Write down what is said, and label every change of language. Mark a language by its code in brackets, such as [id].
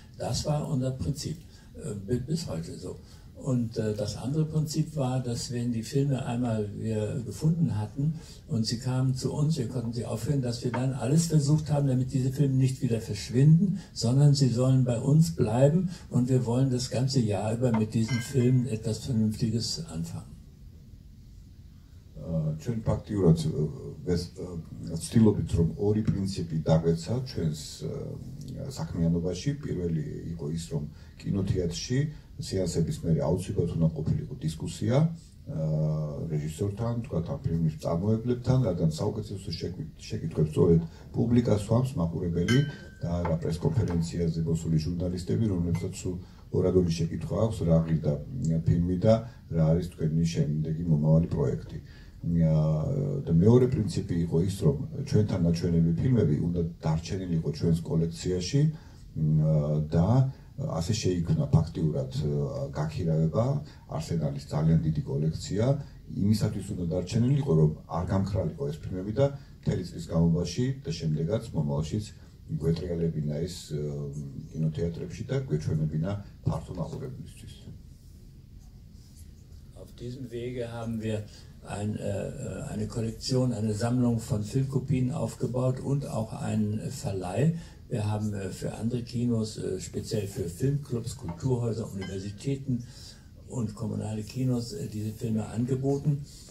[de] Das war unser Prinzip, bis heute so. Und das andere Prinzip war, dass wenn die Filme einmal wir gefunden hatten und sie kamen zu uns, wir konnten sie aufführen, dass wir dann alles versucht haben, damit diese Filme nicht wieder verschwinden, sondern sie sollen bei uns bleiben und wir wollen das ganze Jahr über mit diesen Filmen etwas Vernünftiges anfangen. [ka] Ჩვენ ფაქტიურად ვცდილობთ, რომ ორი პრინციპი დაგვეცა ჩვენს საქმიანობაში. პირველი იყო ის, რომ კინოთეატრში სეანსების მერე აუცილებლად უნდა ყოფილიყო დისკუსია რეჟისორთან, თქვათ ამ ფილმის წარმოებლებთან, რადგან საუკეთესო შეკითხვებს სწორედ პუბლიკა სვამს, მაყურებელი და რა პრესკონფერენციაზე მოსული ჟურნალისტები, რომლებსაც ორადული შეკითხვა აქვს, რა აღირდა ფილმი და რა არის თქვენი შემდეგი მომავალი პროექტი. Და მეორე პრინციპი იყო ის, რომ ჩვენთან ნაჩვენები ფილმები უნდა დარჩენილიყო ჩვენს კოლექციაში და ასე შეიქმნა ფაქტიურად გაქირავება, არსენალის ძალიან დიდი კოლექცია, იმისათვის უნდა დარჩენილიყო, რომ არ გამქრალიყო ეს ფილმები და მთელი წლის განმავლობაში და შემდეგაც მომავალშიც გვეტრიალებინა ეს კინოთეატრებში და გვეჩვენებინა ფართო მაყურებლისთვის. [de] Auf diesem Wege haben wir eine Kollektion, eine Sammlung von Filmkopien aufgebaut und auch einen Verleih. Wir haben für andere Kinos, speziell für Filmclubs, Kulturhäuser, Universitäten und kommunale Kinos diese Filme angeboten.